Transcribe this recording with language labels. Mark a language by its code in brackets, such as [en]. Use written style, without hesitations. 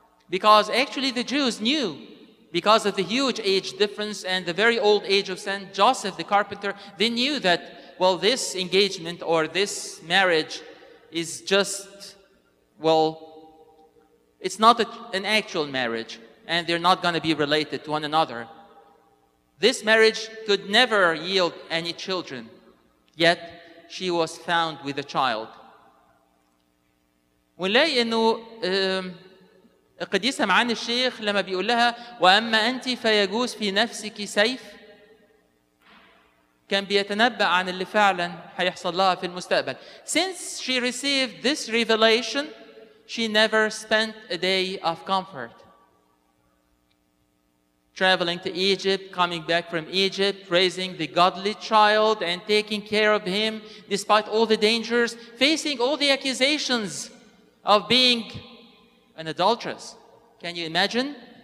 [en] Because actually the Jews knew, because of the huge age difference and the very old age of Saint Joseph the Carpenter, they knew that, well, this engagement or this marriage is just, well, it's not an actual marriage, and they're not going to be related to one another. This marriage could never yield any children, yet she was found with a child. [ar] ونلاقي انه القديسة معاني الشيخ لما بيقول لها وأما أنت فيجوز في نفسك سيف, كان بيتنبأ عن اللي فعلا هيحصل لها في المستقبل. [en] Since she received this revelation, She never spent a day of comfort. Traveling to Egypt, coming back from Egypt, raising the godly child and taking care of him despite all the dangers, facing all the accusations of being an adulteress. Can you imagine?